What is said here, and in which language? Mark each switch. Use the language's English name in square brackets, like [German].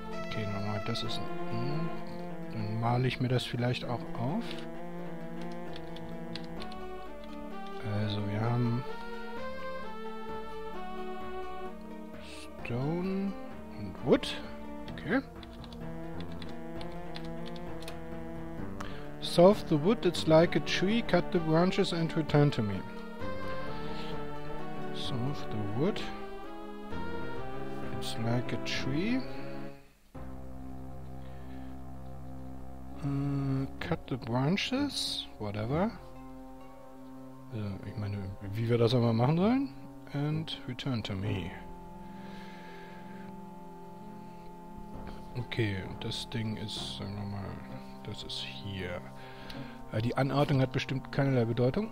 [German] Okay, nochmal, das ist... Dann male ich mir das vielleicht auch auf. Also, wir haben Stone und Wood. Okay. [English] Solve the wood, it's like a tree. Cut the branches and return to me. Solve the wood, it's like a tree. Cut the branches, whatever. [German] Ich meine, wie wir das aber machen sollen. [English] And return to me. [German] Okay, das Ding ist, sagen wir mal, das ist hier. Die Anordnung hat bestimmt keinerlei Bedeutung.